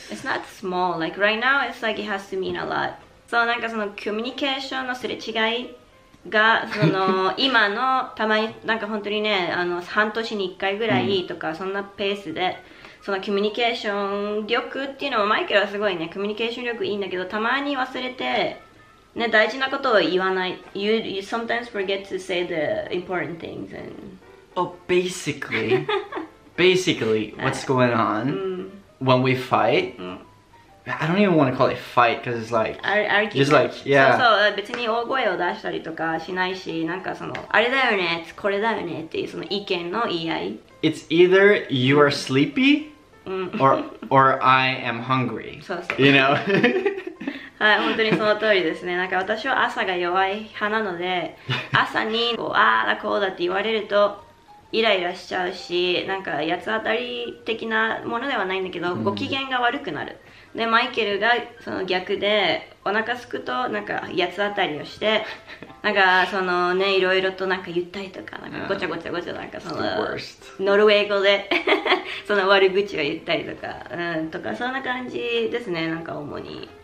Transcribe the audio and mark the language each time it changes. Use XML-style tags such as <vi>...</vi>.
<en>It's not small, like right now it's like it has to mean a lot。</en> <ja>そう、なんかそのコミュニケーションのすれ違いが、その今のたまになんか本当にね、あの半年に1回ぐらいとか、そんなペースで、そのコミュニケーション力っていうのも、マイケルはすごいねコミュニケーション力いいんだけど、たまに忘れてね、大事なことを言わない。</ja> <en>You sometimes forget to say the important things and... Oh, basically, what's going on when we fight?、I don't even want to call it fight, because it's like... Just like, yeah.</en> <ja>そうそう、別に大声を出したりとかしないし、なんかその、あれだよね、これだよねっていうその意見の言い合い。</ja> <en>It's either you are sleepy, or I am hungry.</en> <ja>そうそう。</ja> <en>You know?</en> <ja>はい、本当にその通りですね。なんか私は朝が弱い派なので、朝にこうああだこうだって言われるとイライラしちゃうし、なんか八つ当たり的なものではないんだけど、ご機嫌が悪くなる。でマイケルがその逆で、お腹すくとなんか八つ当たりをして、なんかそのね、いろいろとなんか言ったりとか、なんかごちゃごちゃごちゃ、なんかそのノルウェー語でその悪口を言ったりとか、とかそんな感じですね、なんか主に。</ja>